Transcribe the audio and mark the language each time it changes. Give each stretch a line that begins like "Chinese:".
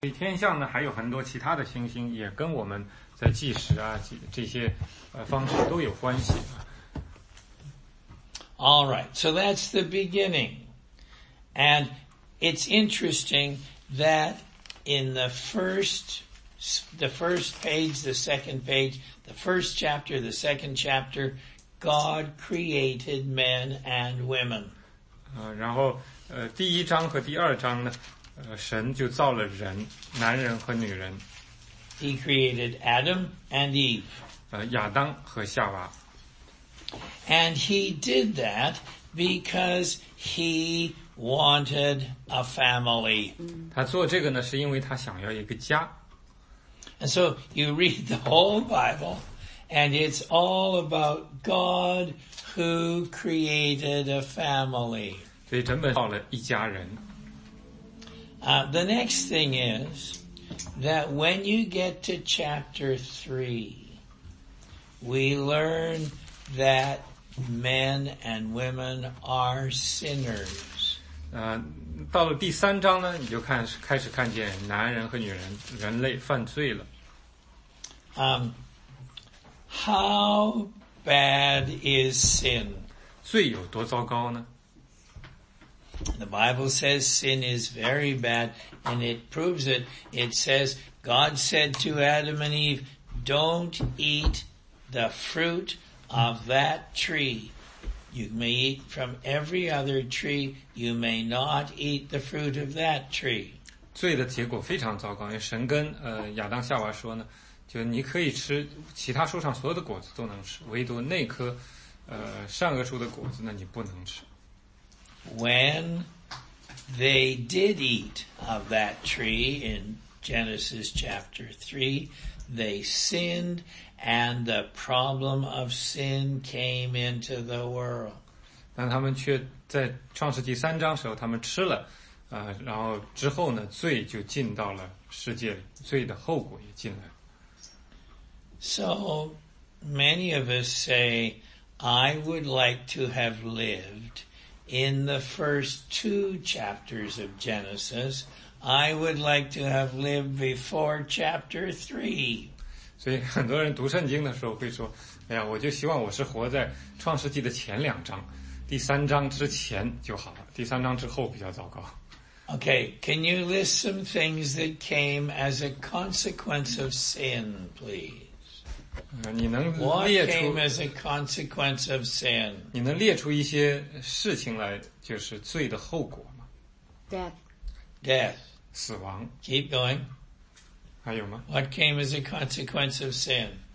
Chinese: 所以天象呢还有很多其他的星星也跟我们在计时啊这些方式都有关系。
English: Alright, so that's the beginning. And it's interesting that in the first page, the first chapter, the second chapter, God created men and women.
Chinese: 然后第一章和第二章呢神就造了人男人和女人
English: He created Adam and Eve
Chinese: 亚当和夏娃
English: And he did that because he wanted a family
Chinese: 他做这个呢是因为他想要一个家
English: And so you read the whole Bible And it's all about God who created a family
Chinese: 所以整本造了一家人
English: The next thing is that when you get to chapter 3, we learn that men and women are sinners.
Chinese: 到了第三章呢，你就开始看见男人和女人，人类犯罪了。
English: How bad is sin?
Chinese: 罪有多糟糕呢？
English: The Bible says sin is very bad, and it proves it. It says, God said to Adam and Eve, don't eat the fruit of that tree. You may eat from every other tree, you may not eat the fruit of that tree.
Chinese: 罪的结果非常糟糕，因为神跟亚当夏娃说呢，就你可以吃其他树上所有的果子都能吃，唯独那棵善恶树的果子呢，你不能吃。
English: When they did eat of that tree in Genesis chapter 3, they sinned and the problem of sin came into the world.
Chinese: 但他们却在创世纪三章时候他们吃了然后之后呢罪就进到了世界里罪的后果也进来。
English: So many of us say, I would like to have lived In the first two chapters of Genesis, I would like to have lived before chapter 3.
Chinese: 所以很多人读圣经的时候会说，哎呀，我就希望我是活在创世纪的前两章，第三章之前就好了，第三章之后比较糟糕。
English: Okay, can you list some things that came as a consequence of sin, please?
Chinese: 你能列出
English: What came as a consequence of sin?
Chinese: 你能列出一些事情来就是罪的后果吗
English: Death
Chinese: 死亡
English: Keep going
Chinese: 还有吗
English: What came as a consequence of sin?